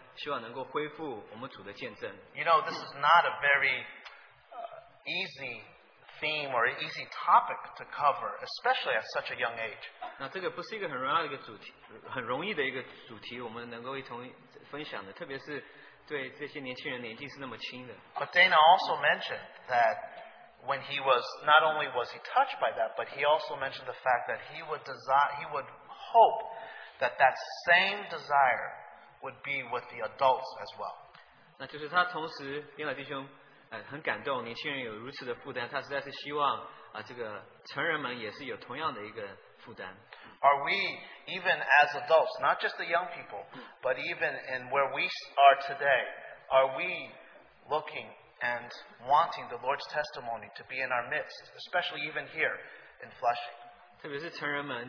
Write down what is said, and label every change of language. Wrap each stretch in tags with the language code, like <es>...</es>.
<zh>那我们的天乃弟兄分享的时候，他觉得他相当感动，年轻人有这样的负担，希望能够恢复我们主的见证。</zh> <en>You know, this is not a very easy theme or an easy topic to cover, especially at such a young age.</en> <zh>那这个不是一个很容易的一个主题，很容易的一个主题，我们能够一同分享的，特别是对这些年轻人年纪是那么轻的。</zh> <en>But Dana also mentioned that when he was not only was he touched by that, but he also mentioned the fact that he would hope that that same desire would be with the adults as well.</en> <zh>那就是他同时，丁老弟兄。很感动，年轻人有如此的负担。他实在是希望这个成人们也是有同样的一个负担。</zh> <en>Are we even as adults, not just the young people, but even in where we are today, are we looking and wanting the Lord's testimony to be in our midst, especially even here in Flushing?</en>